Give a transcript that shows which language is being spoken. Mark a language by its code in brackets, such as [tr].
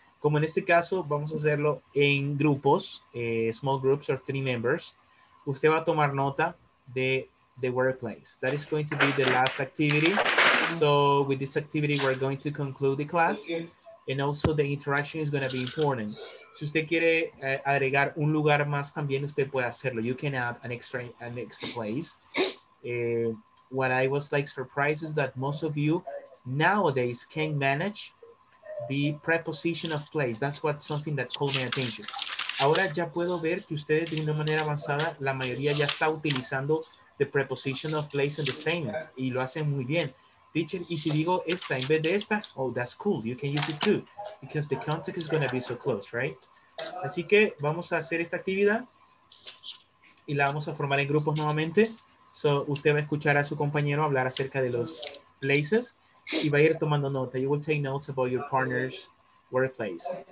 [es] Como en este caso, vamos a hacerlo en grupos, [en] small groups or three members. [es] Usted va a tomar nota de [en] the workplace. That is going to be the last activity. So with this activity, we're going to conclude the class. And also the interaction is going to be important. [es] Si usted quiere agregar un lugar más, también usted puede hacerlo. [en] You can add an extra place. What I was like surprised is that most of you nowadays can manage the preposition of place. That's what something that called my attention. [es] Ahora ya puedo ver que ustedes de una manera avanzada, la mayoría ya está utilizando [en] the preposition of place in the statements [es] y lo hacen muy bien. [en] Teacher, [es] y si digo esta en vez de esta, [en] oh, that's cool, you can use it too, because the context is going to be so close, right? [es] Así que vamos a hacer esta actividad y la vamos a formar en grupos nuevamente. So, usted va a escuchar a su compañero hablar acerca de los places y va a ir tomando nota. [en] You will take notes about your partner's workplace.